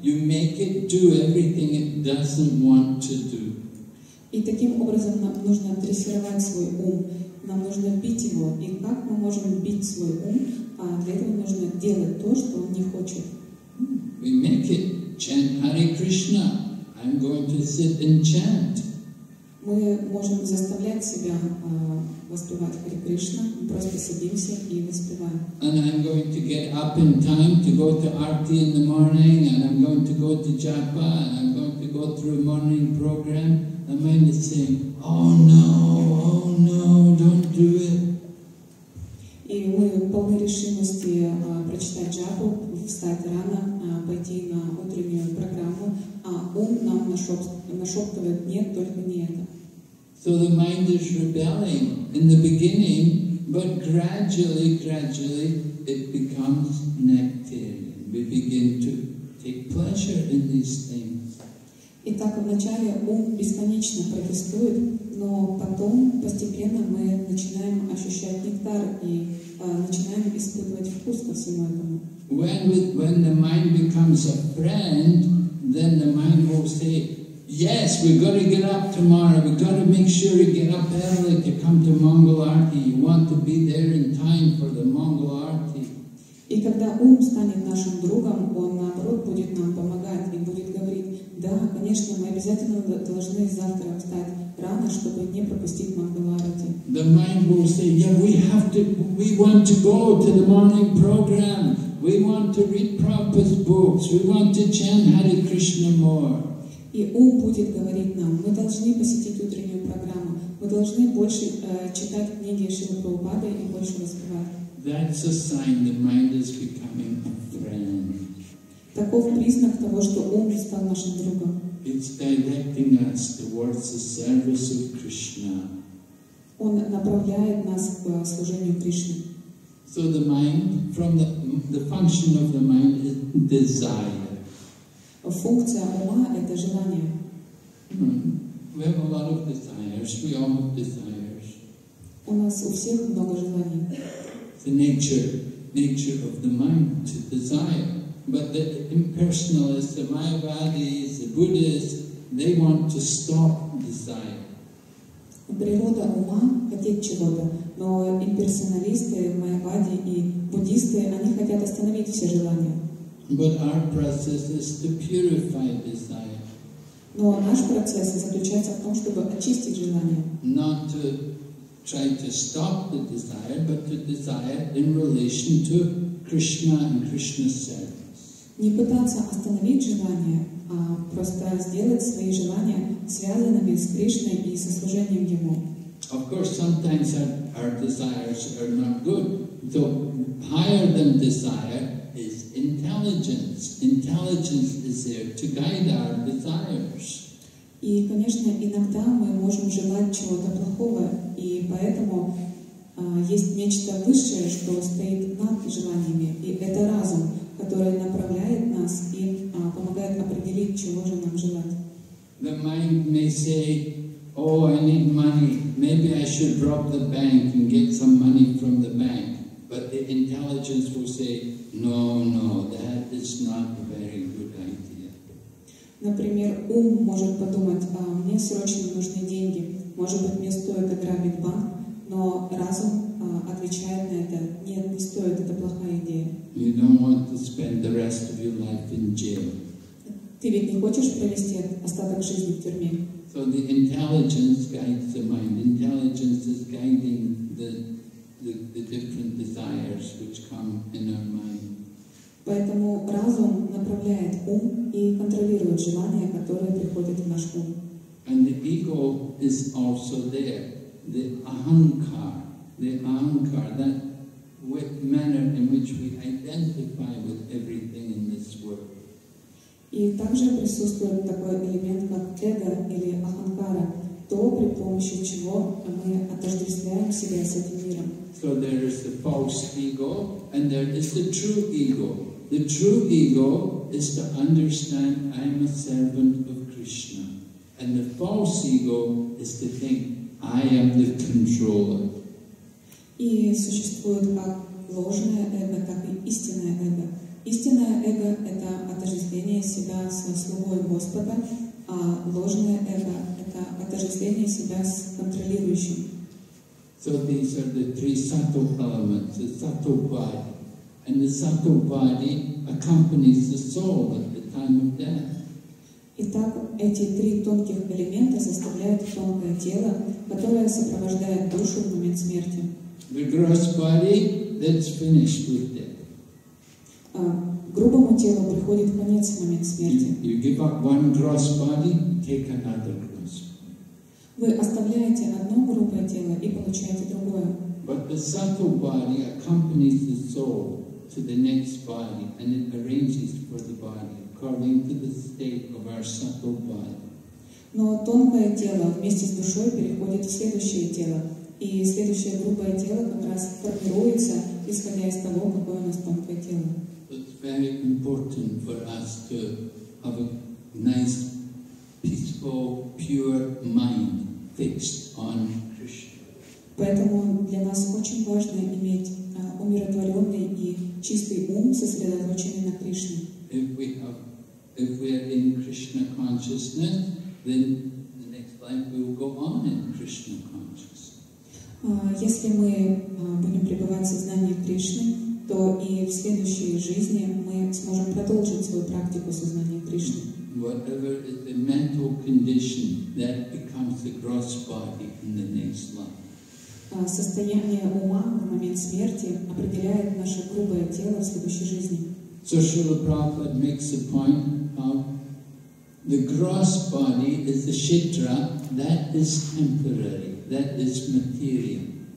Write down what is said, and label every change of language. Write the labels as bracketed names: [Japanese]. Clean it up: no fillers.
[English] You make it do everything it doesn't want to do. [Russian] И таким образом нам нужно дрессировать свой ум. Нам нужно бить его. И как мы можем бить свой ум? А для этого нужно делать то, что он не хочет. [English] We make it chant Hare Krishna. I'm going to sit and chant. [Russian] Мы можем заставлять себя воспевать Хари Кришна. Мы просто садимся и воспеваем. [English] And I'm going to get up in time to go to Arti in the morning, and I'm going to go to Japa, and I'm going to go through morning program. The mind is saying, oh no, don't do it. [Russian] И мы полны решимости прочитать джапу, встать рано, пойти на утреннюю программу, а ум нам нашептывает, нет, только не это. [English] So the mind is rebelling in the beginning, but gradually, gradually it becomes nectarian. We begin to take pleasure in these things. [Russian] Итак, вначале ум бесконечно протестует, но потом постепенно мы начинаем ощущать нектар и начинаем испытывать вкус ко всему этому. [English] When the mind becomes a friend, then the mind will say, yes, we've got to get up tomorrow. We've got to make sure you get up early to come to Mangal Arti. You want to be there in time for the Mangal Arti. [Russian] И когда ум станет нашим другом, он наоборот будет нам помогать и будет говорить: да, конечно, мы обязательно должны завтра встать рано, чтобы не пропустить Мангал Арти. [English] The mind will say, yeah, we want to go to the morning program. We want to read Prabhupada's books. We want to chant Hare Krishna more. [Russian] И ум будет говорить нам, мы должны посетить утреннюю программу, мы должны больше читать книги Шрилы Прабхупады и больше воспевать. [English] That's a sign the mind is becoming a friend. [Russian] Таков признак того, что ум стал нашим другом. [English] It's directing us towards the service of Krishna. [Russian] Он направляет нас к служению Кришне. [English] So the mind, from the function of the mind is desire. [Russian] Функция ума — это желание. [English] We have a lot of desires. We all have desires. [Russian] У нас у всех много желаний. [English] The nature of the mind to desire. But the impersonalists, the Mayavadis, the Buddhists, they want to stop desire. [Russian] Природа ума — хотеть чего-то. Но имперсоналисты, Майявади и буддисты, они хотят остановить все желания. [English] But our process is to purify desire. [Russian] Но наш процесс заключается в том, чтобы очистить желание. [English] Not to try to stop the desire, but to desire in relation to Krishna and Krishna's service. [Russian] Не пытаться остановить желание, а просто сделать свои желания связанными с Кришной и со служением Ему. [English] Of course, sometimes our desires are not good. So higher than desire is intelligence. Intelligence is there to guide our desires. [Russian] И, конечно, иногда мы можем желать чего-то плохого, и поэтому есть нечто высшее, что стоит над желаниями, и это разум, который направляет нас и помогает определить, чего же нам желать. [English] The mind may say, oh, I need money. Maybe I should rob the bank and get some money from the bank. But the intelligence will say, no, no, that is not a very good idea. [Russian] Например, ум может подумать, мне срочно нужны деньги. Может быть, мне стоит ограбить банк, но разум отвечает на это, нет, не стоит, это плохая идея. [English] You don't want to spend the rest of your life in jail. [Russian] Ты ведь не хочешь провести остаток жизни в тюрьме? [English] So the intelligence guides the mind. Intelligence is guiding the different desires which come in our mind. [Russian] Поэтому разум направляет ум и контролирует желания, которые приходят в наш ум. [English] And the ego is also there. the ahankar, that manner in which we identify with everything in this world. [Russian] И также присутствует такой элемент, как эго или аханкара, то, при помощи чего мы отождествляем себя с этим миром. [English] So there is the false ego, and there is the true ego. The true ego is to understand I am a servant of Krishna. And the false ego is to think I am the controller. [Russian] И существует как ложное эго, так и истинное эго. Истинное эго — это отождествление себя со слугой Господа, а ложное эго — это отождествление себя с контролирующим. [English] So these are the three subtle elements, the subtle body. And the subtle body accompanies the soul at the time of death. [Russian] Итак, эти три тонких элемента составляют тонкое тело, которое сопровождает душу в момент смерти. [English] The gross body, that's finished with death. [Russian] Грубому телу приходит конец в момент смерти. [English] You give up one gross body, take another gross body. [Russian] Вы оставляете одно грубое тело и получаете другое. [English] But the subtle body accompanies the soul to the next body, and it arranges for the body according to the state of our subtle body. [Russian] Но тонкое тело вместе с душой переходит в следующее тело, и следующее грубое тело как раз формируется, исходя из того, какое у нас тонкое тело. [English] Very important for us to have a nice, peaceful, pure mind fixed on Krishna. [Russian] Поэтому для нас очень важно иметь умиротворенный и чистый ум, сосредоточенный на Кришне. [English] If we are in Krishna consciousness, then in the next life we will go on in Krishna consciousness. [Russian] Если мы будем пребывать в сознании Кришны, то и в следующей жизни мы сможем продолжить свою практику сознания Кришны. [English] Whatever is the mental condition, that becomes the gross body in the next life. [Russian] Состояние ума на момент смерти определяет наше грубое тело в следующей жизни. [English] So Srila Prabhupada makes a point how the gross body is the kshetra, that is temporary, that is material.